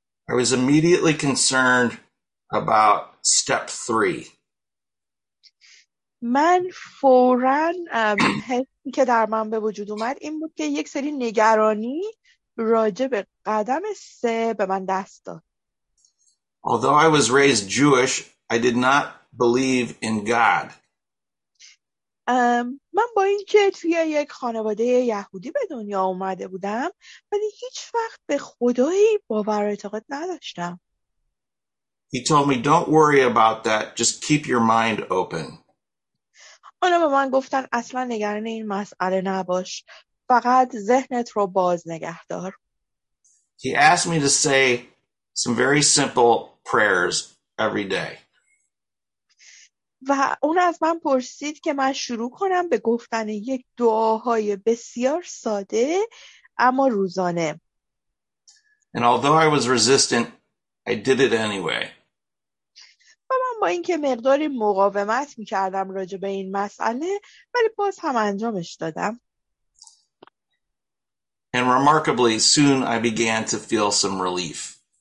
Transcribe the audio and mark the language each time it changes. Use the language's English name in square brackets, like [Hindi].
[English] I was immediately concerned about step 3. [Persian] من فوراً حسی که در من به وجود اومد این بود که یک سری نگرانی راجع به قدم 3 به من دست داد. [English] Although I was raised Jewish, I did not believe in God. [Persian] من با اینکه توی یک خانواده یهودی به دنیا اومده بودم ولی هیچ وقت به خدایی باور اعتقاد نداشتم. [English] He told me don't worry about that, just keep your mind open. [Persian] اونا به من گفتن اصلا نگران این مسئله نباش، فقط ذهنت رو باز نگه دار. [English] He asked me to say some very simple prayers every day. [Persian] و اون از من پرسید که من شروع کنم به گفتن یک دعاهای بسیار ساده اما روزانه. [English] And although I was resistant, I did it anyway. [Persian] و من با اینکه مقداری مقاومت می‌کردم راجع به این مسئله، ولی باز هم انجامش دادم. [English] And remarkably, soon I began to feel some relief.